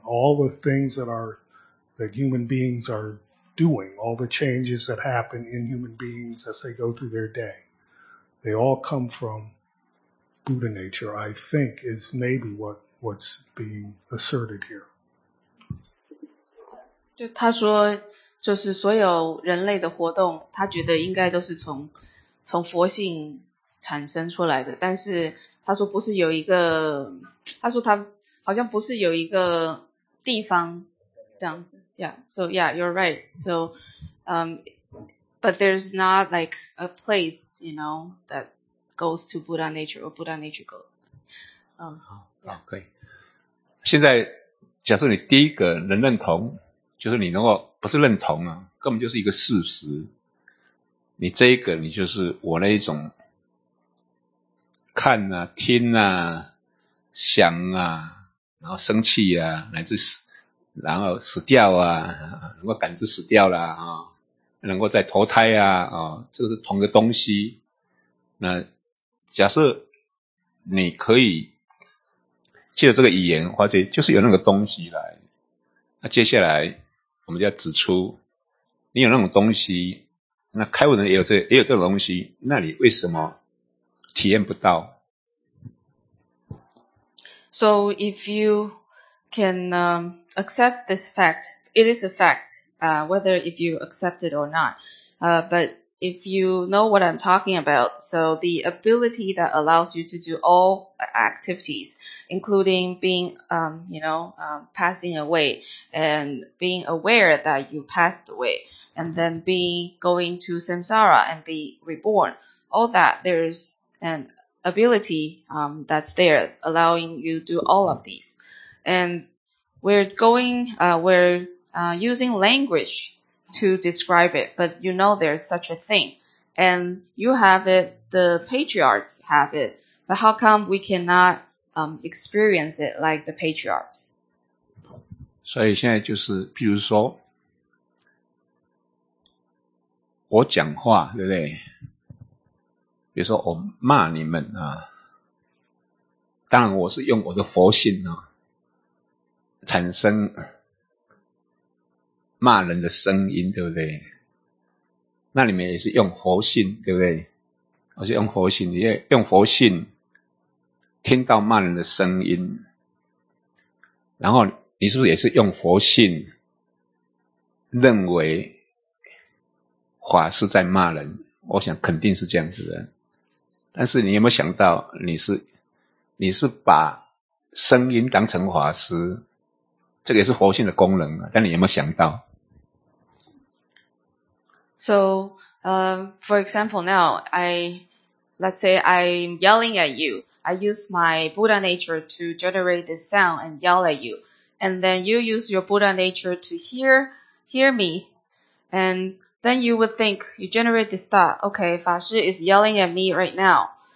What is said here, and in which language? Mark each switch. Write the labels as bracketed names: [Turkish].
[English] All the things that human beings are doing, all the changes that happen in human beings as they go through their day, they all come from Buddha nature, I think, is maybe what's being asserted here. [Chinese] 就他说，就是所有人类的活动，他觉得应该都是从佛性产生出来的。但是他说不是有一个，他说他好像不是有一个地方这样子。 [English] Yeah, so yeah, you're right. So, but there's not like a place, you know, that. Goes to Buddha nature or Buddha nature goes. [Chinese] 好，可以。现在假设你第一个能认同，就是你能够不是认同啊，根本就是一个事实。你这一个你就是我那一种看啊、听啊、想啊，然后生气啊，乃至死，然后死掉啊，能够感知死掉了啊，能够再投胎啊，这个是同一个东西。那假设你可以借着这个语言发觉就是有那个东西来，那接下来我们就要指出你有那种东西，那开悟人也有这种东西，那你为什么体验不到？ [English] So if you can accept this fact, it is a fact, whether if you accept it or not, butIf you know what I'm talking about, so the ability that allows you to do all activities, including being, passing away and being aware that you passed away and then going to samsara and be reborn, all that, there's an ability, that's there allowing you to do all of these. And we're using language. To describe it, but you know there's such a thing. And you have it, the patriarchs have it, but how come we cannot experience it like the patriarchs? [Chinese] 所以现在就是譬如说我讲话对不对，比如说我骂你们啊，当然我是用我的佛性啊产生骂人的声音，对不对？那你们也是用佛性，对不对？我是用佛性，也用佛性听到骂人的声音，然后你是不是也是用佛性认为法师在骂人？我想肯定是这样子的。但是你有没有想到，你是把声音当成法师，这个也是佛性的功能啊，但你有没有想到？ [English] So, for example, now, let's say I'm yelling at you. I use my Buddha nature to generate this sound and yell at you. And then you use your Buddha nature to hear me. And then you would think, you generate this thought, okay, 法师 is yelling at me right now.